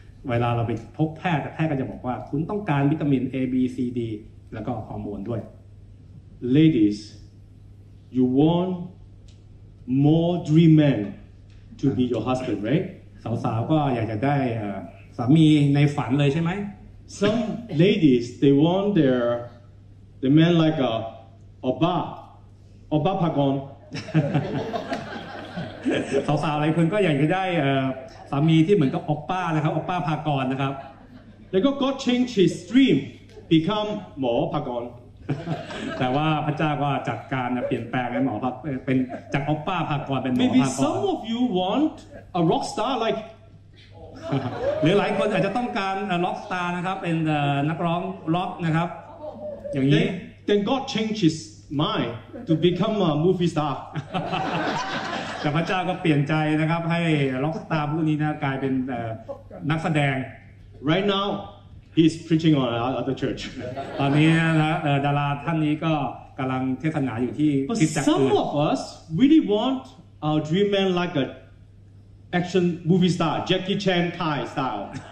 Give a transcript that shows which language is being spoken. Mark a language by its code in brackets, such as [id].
[th] เวลาเราไปพบแพทย์แพทย์ก็จะบอกว่าคุณต้องการวิตามิน A, B, C, D แล้วก็ฮอร์โมนด้วย [en] Ladies, you want more dream man to be your husband, right? [th] สาวๆก็อยากจะได้สามีในฝันเลยใช่ไหม [en] Some ladies they want the man like a pagon [th] สาวๆหลายคนก็อยากจะได้สามีที่เหมือนกับอ๊อปป้านะครับอ๊อปป้าพากอนนะครับ แล้วก็ [en] God changed his dream become หมอพากอน [th] แต่ว่าพระเจ้าก็จัดการเปลี่ยนแปลงให้หมอพากเป็นจากอ๊อปป้าพากอนเป็นหมอพากอน [en] Maybe some of you want a rock star like [th] หรือหลายคนอาจจะต้องการล็อกสตาร์นะครับเป็นนักร้องล็อกนะครับอย่างนี้ [en] Then God changed his mind to become a movie star [th] แต่พระเจ้าก็เปลี่ยนใจนะครับให้ล็อกสตาร์ผู้นี้นะกลายเป็นนักแสดง [en] Right now he's preaching on other church [th] ตอนนี้นะดาราท่านนี้ก็กำลังเทศนาอยู่ที่คริสตจักร [en] But some of us really want our dream man like aaction movie star Jackie Chan Thai style